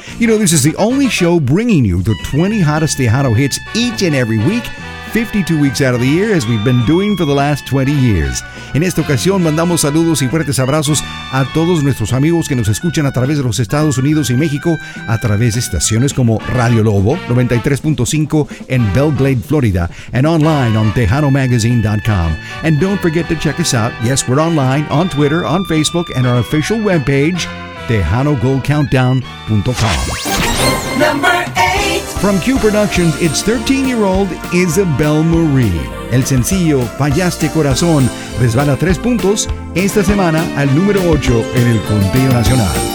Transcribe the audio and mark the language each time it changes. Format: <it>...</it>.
<en>You know, this is the only show bringing you the 20 hottest Tejano hits each and every week, 52 weeks out of the year, as we've been doing for the last 20 years.</en> <es>En esta ocasión, mandamos saludos y fuertes abrazos a todos nuestros amigos que nos escuchan a través de los Estados Unidos y México, a través de estaciones como Radio Lobo 93.5 en Belgrade, Florida,</es> <en>and online on TejanoMagazine.com. And don't forget to check us out. Yes, we're online, on Twitter, on Facebook, and our official webpage, TejanoGoldCountdown.com. Number 8. From Q Productions, it's 13-year-old Isabel Marie.</en> <es>El sencillo Fallaste Corazón resbala 3 puntos esta semana al número 8 en el conteo nacional.</es>